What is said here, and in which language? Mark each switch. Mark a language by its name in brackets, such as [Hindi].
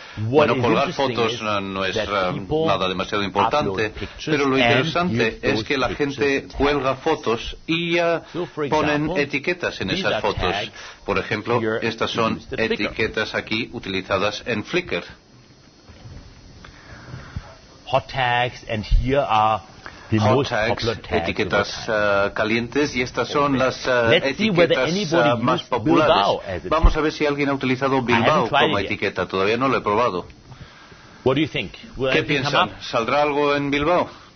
[Spanish] Bueno, colgar fotos no es nada demasiado importante, pero lo interesante es que la gente cuelga fotos y ponen etiquetas en esas fotos. Por ejemplo, estas son etiquetas aquí utilizadas en Flickr. [English] Hot tags, and here are the hot most tags, popular tags, [Spanish] etiquetas calientes, y estas son las etiquetas más populares. Vamos a ver si alguien ha utilizado Bilbao como etiqueta. Todavía no lo he probado. [English] What do you think? Will [Spanish] ¿Qué piensan? ¿Saldrá algo en Bilbao?